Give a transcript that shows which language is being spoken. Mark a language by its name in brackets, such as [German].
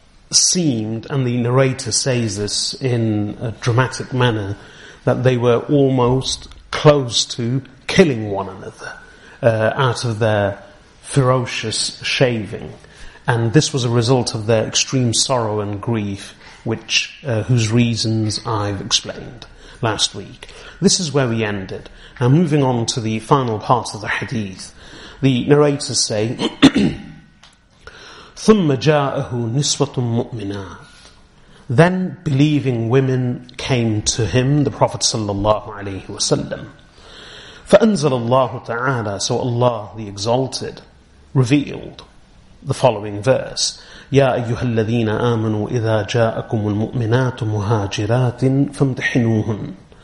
[English] seemed, and the narrator says this in a dramatic manner, that they were almost close to killing one another out of their ferocious shaving. And this was a result of their extreme sorrow and grief, which whose reasons I've explained last week. This is where we ended. Now moving on to the final part of the hadith. The narrators say, [Arabic] ثم جاءه نسوة مؤمنات. [English] Then believing women came to him, the Prophet sallallahu alaihi wasallam. [Arabic] فأنزل الله تعالى, [English] so Allah the Exalted revealed the following verse: [Arabic] يا أيها الذين آمنوا إذا جاءكم المؤمنات مهاجرات فامتحنوهن.